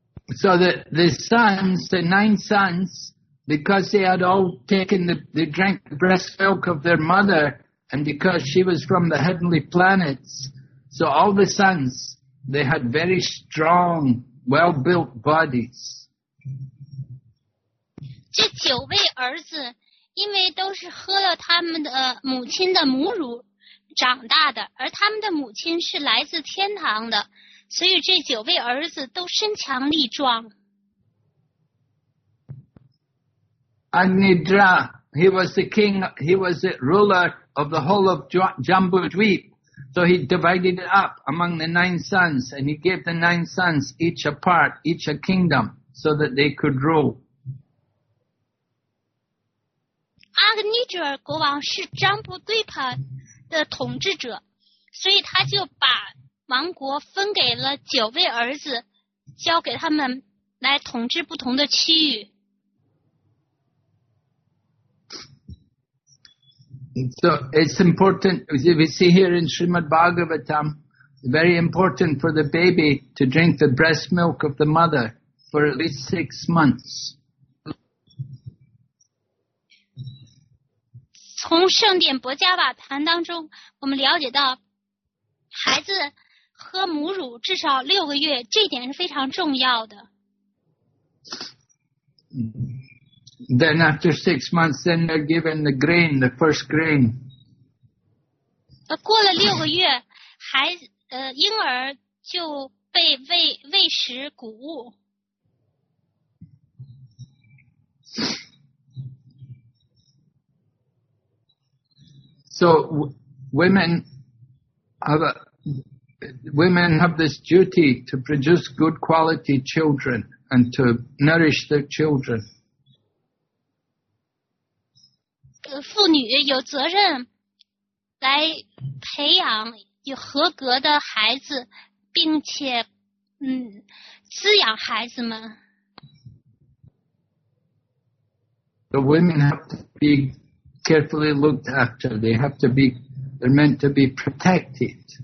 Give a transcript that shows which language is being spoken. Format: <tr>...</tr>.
<en>So the sons, the nine sons, because they had all taken they drank the breast milk of their mother, and because she was from the heavenly planets, so all the sons, they had very strong, well-built bodies.</en> <zh>这九位儿子因为都是喝了他们的母亲的母乳长大的，而他们的母亲是来自天堂的，所以这九位儿子都身强力壮。</zh> <en>Agnidra, he was the king, he was the ruler of the whole of Jambudweep. So he divided it up among the nine sons, and he gave the nine sons each a part, each a kingdom, so that they could rule.</en> <zh>Agnidra 国王是 Jambudweep 的统治者，所以他就把王国分给了九位儿子，交给他们来统治不同的区域。</zh> <en>So it's important, as we see here in Srimad Bhagavatam, very important for the baby to drink the breast milk of the mother for at least 6 months.</en> <zh>从圣典薄伽瓦坛当中我们了解到，孩子喝母乳至少6个月，这点是非常重要的。</zh> <en>Then after 6 months, then they're given the grain, the first grain.</en> <zh>过了六个月，孩子婴儿就被喂食谷物。</zh> <en>So women have this duty to produce good quality children and to nourish their children.</en> <zh>妇女有责任来培养有合格的孩子，并且滋养孩子们。</zh> <en>The women have to be carefully looked after. They have to be, they're meant to be protected.</en>